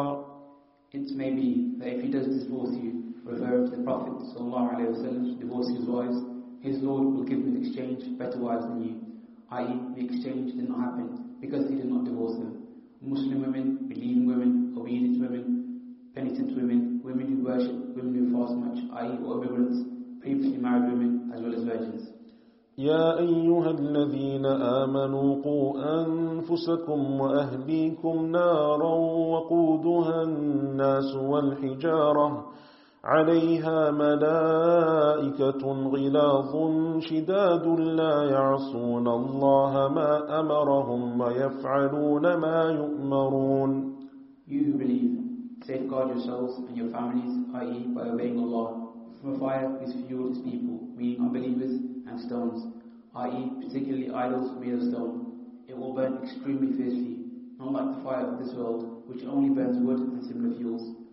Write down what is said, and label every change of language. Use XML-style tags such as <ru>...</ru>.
<en>It may be that if he does divorce you, referring to the Prophet ﷺ, divorce his wives, his Lord will give in exchange better wives than you, i.e. the exchange did not happen because he did not divorce them. Muslim women, believing women, obedient women, penitent women, women who worship, women who fast much, i.e. or immigrants, previously married women, as well as virgins.</en> <ar>يا أيها الذين آمنوا قوا أنفسكم وأهليكم نارا وقودها الناس والحجارة عليها ملائكة غلاظ شداد لا يعصون الله ما أمرهم ويفعلون ما يؤمرون.</ar> <en>You who believe, safeguard yourselves and your families, i.e. by obeying Allah, from a fire is fueled his people, meaning unbelievers, and stones, i.e. particularly idols made of stone. It will burn extremely fiercely, not like the fire of this world, which only burns wood and similar fuels.</en>